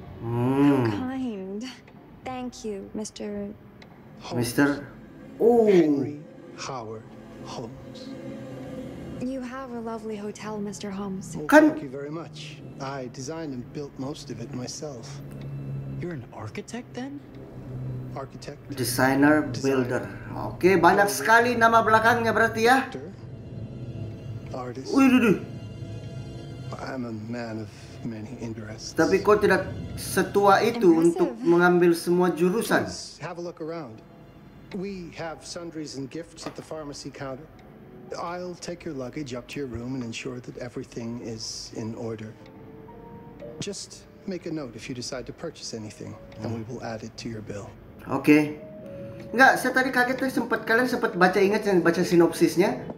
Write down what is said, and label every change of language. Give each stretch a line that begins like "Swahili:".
English: How kind. Thank you, Mr. Holmes. Mr. Ooh. Henry Howard Holmes. You have a lovely hotel, Mr. Holmes. Oh, thank you very much. I designed and built most of it myself. You're an architect then? Architect. Designer, builder.
Indonesian: Oke, okay, banyak sekali nama belakangnya berarti ya.
English: Artist. I'm a man of many interests.
Indonesian: Tapi kok tidak setua itu impressive. Untuk mengambil semua jurusan?
English: Please have a look around. We have sundries and gifts at the pharmacy counter. I'll take your luggage up to your room and ensure that everything is in order. Just make a note if you decide to purchase anything, and we will add it to your bill.
Indonesian: Okay. Enggak, saya tadi kaget tuh sempat kalian sempat baca ingat dan baca sinopsisnya.